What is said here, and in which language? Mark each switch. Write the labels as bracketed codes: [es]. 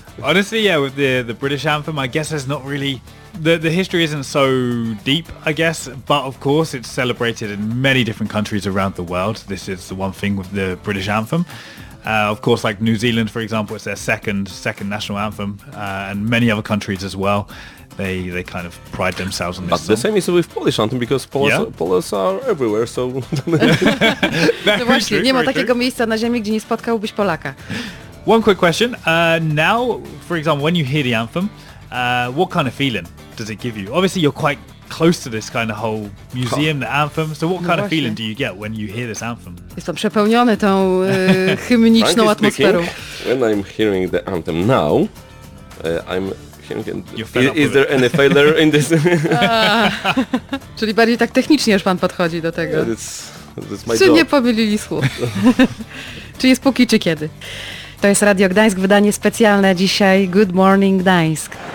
[en] Honestly, yeah, with the British anthem, I guess there's not really. The history isn't so deep, I guess, but of course it's celebrated in many different countries around the world. This is the one thing with the British anthem. Of course, like New Zealand, for example, it's their second national anthem, and many other countries as well. They kind of pride themselves on this. But the same is with Polish anthem, because Poles are everywhere, so... [pl] No właśnie, nie ma takiego miejsca na ziemi, gdzie nie spotkałbyś Polaka. [en] One quick question. Now, for example, when you hear the anthem, what kind of feeling does it give you? Obviously, you're quite close to this kind of whole museum, the anthem. So what kind of feeling do you get when you hear this anthem? [pl] Jestem przepełniony tą hymniczną atmosferą. [en] When I'm hearing the anthem now, I'm hearing it. You're fed up with it. Is there any failure in this? [pl] Czyli bardziej tak technicznie już pan podchodzi do tego. [en] Yeah, that's my [pl] Czy nie pomylili słów? Czy jest póki, czy kiedy? To jest Radio Gdańsk, wydanie specjalne dzisiaj Good Morning Gdańsk.